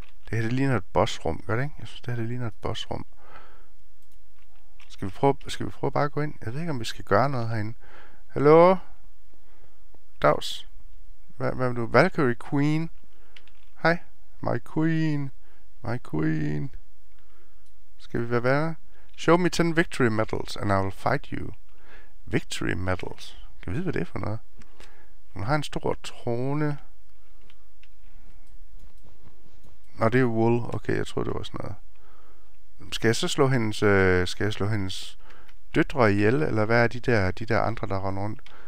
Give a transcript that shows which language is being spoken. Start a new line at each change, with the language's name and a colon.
Danish: Det her, det ligner et bossrum, gør det ikke? Jeg synes, det her, det ligner et bossrum. Skal vi prøve bare at gå ind? Jeg ved ikke, om vi skal gøre noget herinde. Hallo? Dags. Hvad er du? Valkyrie Queen. Hej.
English: My queen. My queen.
Danish: Skal vi være værre?
English: Show me 10 victory medals, and I will fight you. Victory medals.
Danish: Kan vi vide, hvad det er for noget? Hun har en stor trone. Nå, det er wool. Okay, jeg tror det var sådan noget. Skal jeg så slå hendes... skal jeg slå hendes døtre ihjel, eller hvad er de der, de der andre, der render rundt?